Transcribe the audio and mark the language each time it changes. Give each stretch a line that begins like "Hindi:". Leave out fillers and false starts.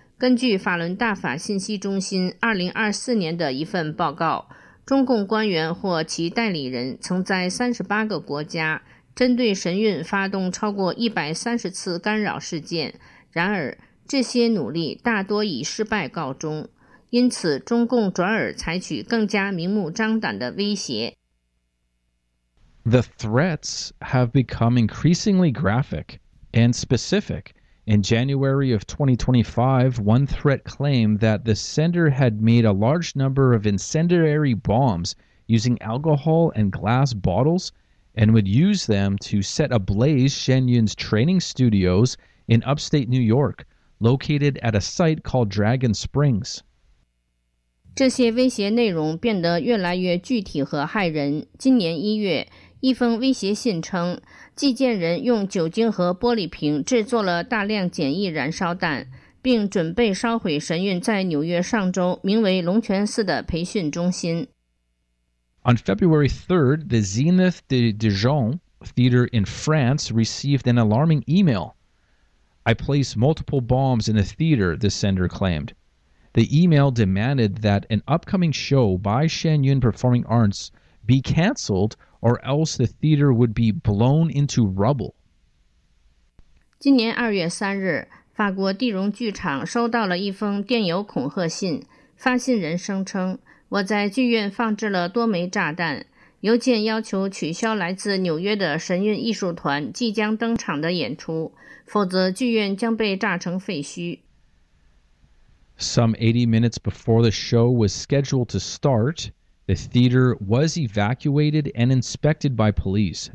Chinese: 根据法轮大法信息中心2024年的一份报告，中共官员或其代理人曾在38个国家针对神韵发动超过130次干扰事件，然而这些努力大多以失败告终，因此中共转而采取更加明目张胆的威胁。
English: The threats have become increasingly graphic and specific. In January of 2025, one threat claimed that the sender had made a large number of incendiary bombs using alcohol and glass bottles and would use them to set ablaze Shen Yun's training studios in upstate New York, located at a site called Dragon Springs.
Chinese: 这些威胁内容变得越来越具体和骇人。今年一月，一封威胁信称，寄件人用酒精和玻璃瓶制作了大量简易燃烧弹，并准备烧毁神韵在纽约上周名为龙泉寺的培训中心。
English: On February 3rd, the Zenith de Dijon Theater in France received an alarming email. I placed multiple bombs in the theater, the sender claimed. The email demanded that an upcoming show by Shen Yun Performing Arts be canceled or else the theater would be blown into rubble.
Chinese: 今年2月3日，法国地荣剧场收到了一封电邮恐吓信，发信人声称，我在剧院放置了多枚炸弹，邮件要求取消来自纽约的神韵艺术团即将登场的演出，否则剧院将被炸成废墟。
English: Some 80 minutes before the show was scheduled to start, the theater was evacuated and inspected by police.